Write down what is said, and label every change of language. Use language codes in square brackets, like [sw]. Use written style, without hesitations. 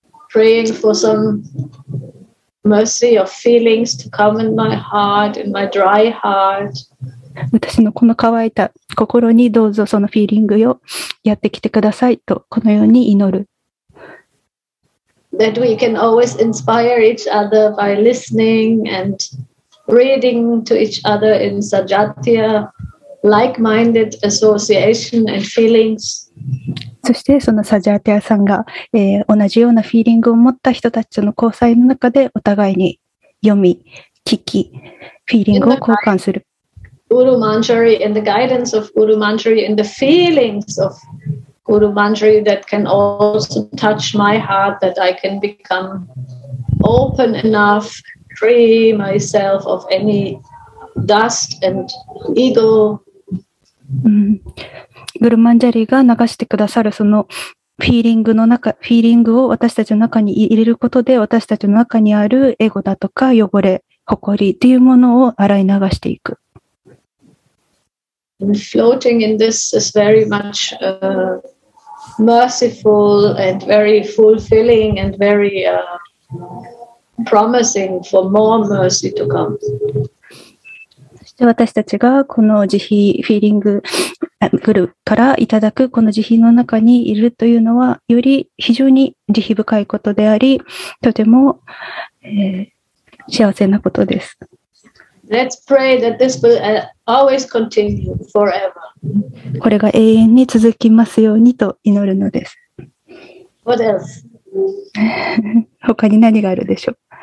[en] Praying for some mercy of feelings to come in my heart, in my dry heart. [ja] 私のこの乾いた心にどうぞそのフィーリングをやってきてくださいと、このように祈る。 [en] That we can always inspire each other by listening andreading to each other in Sajatiya, like-minded association and feelings. [ja] そしてそのサジャティアさんが、同じようなフィーリングを持った人たちの交際の中でお互いに読み、聞き、フィーリングを交換する。 [en] Guru Manjari, in the guidance of Guru Manjari, in the feelings of Guru Manjari that can also touch my heart, that I can become open enough. Free myself of any dust and ego. [ja] グルマンジャリが流してくださるそのフィーリングの中、フィーリングを私たちの中に入れることで、私たちの中にあるエゴだとか汚れ、誇りっていうものを洗い流していく。 [en] And floating in this is very much, merciful and very fulfilling and very, promising for more mercy to come. [ja] そして私たちがこの慈悲フィーリンググルからいただくこの慈悲の中にいるというのは、より非常に慈悲深いことであり、とても、幸せなことです。 [en] Let's pray that this will always continue forever. [ja] これが永遠に続きますようにと祈るのです。 [en] What else? [ja] 他に何があるでしょう。